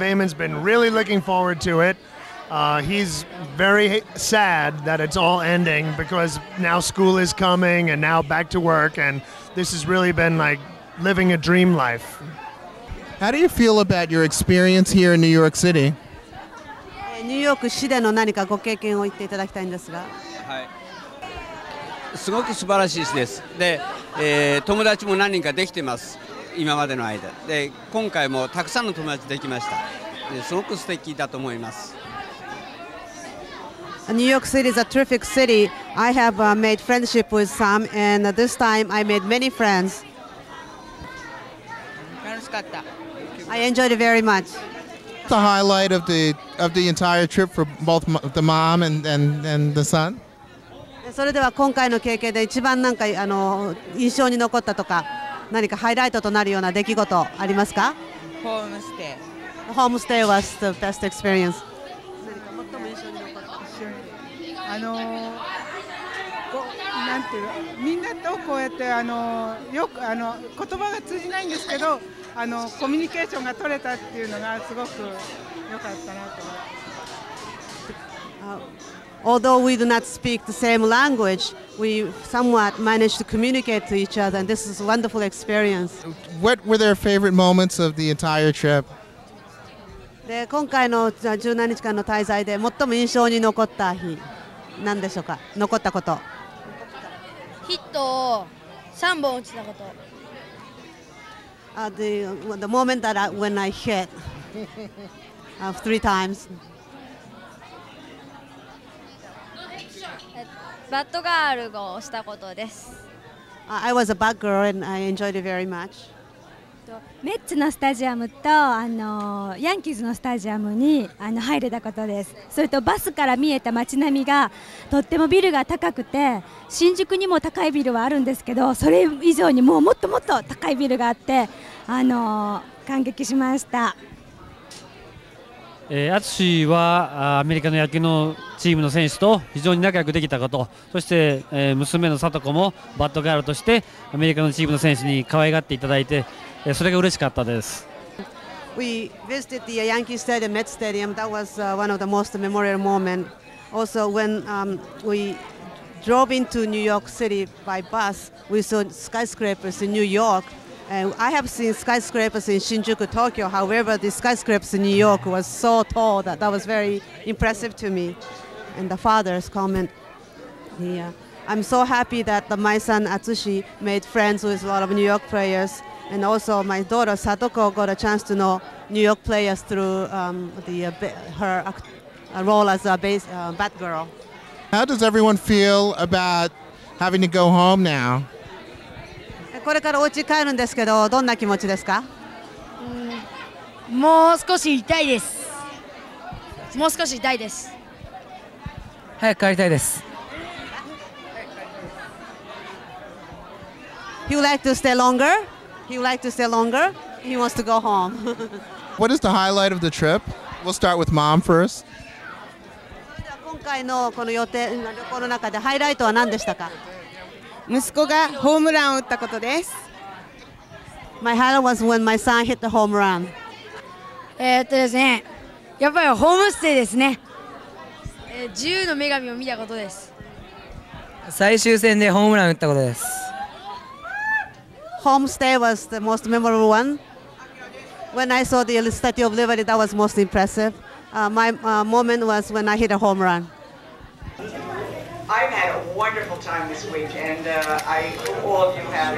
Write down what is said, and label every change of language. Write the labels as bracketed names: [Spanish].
[English] Eamon's been really looking forward to it. He's very sad that it's all ending because now school is coming and now back to work, and this has really been like living a dream life. How do you feel about your experience here in New York City? [Japanese] New York City の何かご経験を言っていただきたいんですが。はい。すごく素晴らしいです。で、友達も何人かできてます。今までの間。で、今回もたくさんの友達できました。すごく素敵だと思います。 [English] New York City is a terrific city. I have made friendship with some, and this time I made many friends. [Japanese] 楽しかった。 [English] I enjoyed it very much. What's the highlight of the entire trip for both the mom and the son? [Japanese] それでは今回の経験で一番なんか印象に残ったとか何かハイライトとなるような出来事ありますか? ホームステイ。 [English] ホームステイ was the best experience. [Japanese] 何か最も印象に残った。なんていうの? みんなとこうやってよく言葉が通じないんですけどコミュニケーションが取れたっていうのがすごく良かったなと思って。 [English] Although we do not speak the same language, we somewhat managed to communicate to each other, and this is a wonderful experience. What were their favorite moments of the entire trip? [Japanese] で、今回の17日間の滞在で最も印象に残った日、何でしょうか？残ったこと。ヒットを3本打ちたこと。 [English] The moment that when I hit three times. Bad girl [Japanese] をしたことです。 [English] I was a bad girl and I enjoyed it very much. [Japanese] メッツのスタジアムとヤンキーズのスタジアムに入れたことです。それとバスから見えた街並みがとってもビルが高くて、新宿にも高いビルはあるんですけど、それ以上にもっともっと高いビルがあって、感激しました。アツシはアメリカの野球のチームの選手と非常に仲良くできたこと、そして娘のサトコもバッドガールとしてアメリカのチームの選手に可愛がっていただいて、それが嬉しかったです。 [English] We visited the Yankee Stadium, Met Stadium. That was one of the most memorable moments. Also, when we drove into New York City by bus, we saw skyscrapers in New York. I have seen skyscrapers in Shinjuku, Tokyo. However, the skyscrapers in New York was so tall that was very impressive to me. And the father's comment here. I'm so happy that my son Atsushi made friends with a lot of New York players. And also my daughter Satoko got a chance to know New York players through role as a bat girl. How does everyone feel about having to go home now? [Japanese] これからお家帰るんですけど、どんな気持ちですか？もう少し痛いです。もう少し痛いです。早く帰りたいです。 [English] He would like to stay longer? He would like to stay longer? He wants to go home. What is the highlight of the trip? We'll start with mom first. [Japanese] 今回のこの予定、旅行の中でハイライトは何でしたか？息子がホームランを打ったことです。 [English] My highlight was when my son hit the home run. [Japanese] ですね、やっぱりホームステイですね。自由の女神を見たことです。最終戦でホームラン打ったことです。 [English] Home stay was the most memorable one. When I saw the Statue of Liberty, that was most impressive. My moment was when I hit a home run. I've had a wonderful time this week, and I hope all of you have.